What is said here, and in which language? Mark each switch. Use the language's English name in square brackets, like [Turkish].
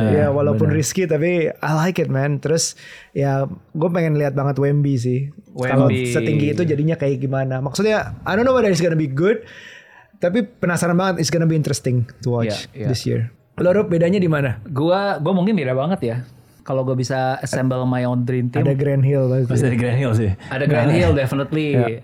[Indonesian] Walaupun risky, tapi [English] I like it, man. [Indonesian] Terus ya gue pengen lihat banget Wemby sih. Kalau setinggi itu jadinya kayak gimana. Maksudnya [English] I don't know whether it's gonna be good, [Indonesian] tapi penasaran banget. [English] It's gonna be interesting to watch this year. [Indonesian] Lo Rup, bedanya di mana? Gue mungkin beda banget ya. Kalau gue bisa [English] assemble my own dream team, [Indonesian] ada Grant Hill pasti. Masih ada Grant Hill sih. Ada Grant Hill definitely.